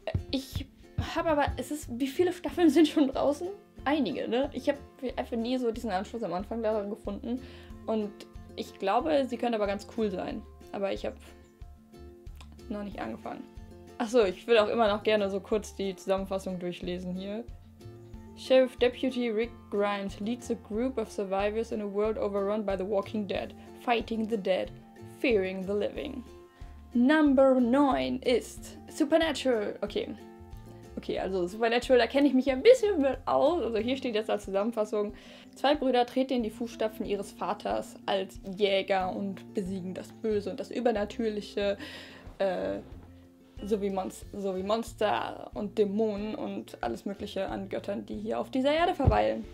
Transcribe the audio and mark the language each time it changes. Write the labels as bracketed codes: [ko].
[de] Ich habe aber, wie viele Staffeln sind schon draußen? Einige, ne? Ich habe einfach nie so diesen Anschluss am Anfang daran gefunden und ich glaube, sie können aber ganz cool sein. Aber ich habe noch nicht angefangen. Achso, ich will auch immer noch gerne so kurz die Zusammenfassung durchlesen hier. [en] Sheriff Deputy Rick Grimes leads a group of survivors in a world overrun by the walking dead, fighting the dead, fearing the living. [de] Number 9 ist Supernatural. Okay. Okay, also Supernatural, da kenne ich mich ein bisschen mit aus. Also hier steht jetzt als Zusammenfassung. Zwei Brüder treten in die Fußstapfen ihres Vaters als Jäger und besiegen das Böse und das Übernatürliche, so wie Monster und Dämonen und alles mögliche an Göttern, die hier auf dieser Erde verweilen.